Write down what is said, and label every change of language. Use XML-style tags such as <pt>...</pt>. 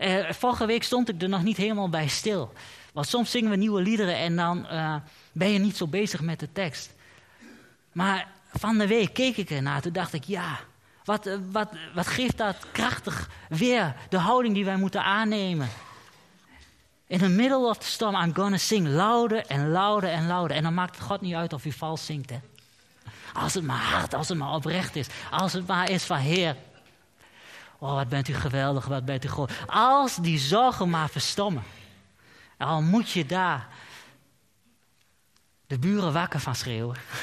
<nl>Vorige week stond ik er nog niet helemaal bij stil. Want soms zingen we nieuwe liederen en dan ben je niet zo bezig met de tekst. Maar van de week keek ik ernaar, toen dacht ik, ja, wat geeft dat krachtig weer, de houding die wij moeten aannemen.</nl> <en>In the middle of the storm, I'm gonna sing louder and louder and louder.</en> <nl>En dan maakt het God niet uit of u vals zingt, hè. Als het maar hard, als het maar oprecht is. Als het maar is van, Heer. Oh, wat bent u geweldig, wat bent u groot. Als die zorgen maar verstommen. Al moet je daar de buren wakker van schreeuwen.</nl>